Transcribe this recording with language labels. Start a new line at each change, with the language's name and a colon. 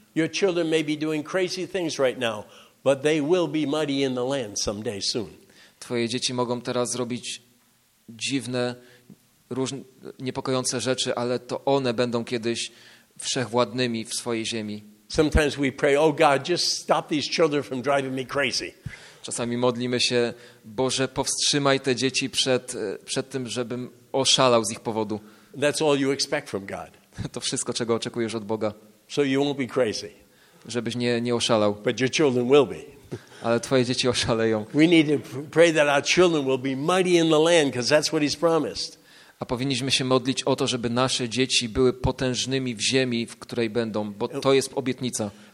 English: Your children may be doing crazy things right now, but they will be mighty in the land someday soon.
Polish: Twoje dzieci mogą teraz robić dziwne, różne niepokojące rzeczy, ale to one będą kiedyś wszechwładnymi w swojej ziemi.
English: Sometimes we pray, oh God, just stop these children from driving me crazy.
Polish: Czasami modlimy się, Boże, powstrzymaj te dzieci przed tym, żebym oszalał z ich powodu.
English: That's all you expect from God.
Polish: To wszystko, czego oczekujesz od Boga.
English: So you won't be crazy.
Polish: Żebyś nie oszalał.
English: But your children will be.
Polish: Ale twoje dzieci oszaleją.
English: We need to pray that our children will be mighty in the land, because that's what he's promised.
Polish: A powinniśmy się modlić o to, żeby nasze dzieci były potężnymi w ziemi, w której będą, bo to jest obietnica.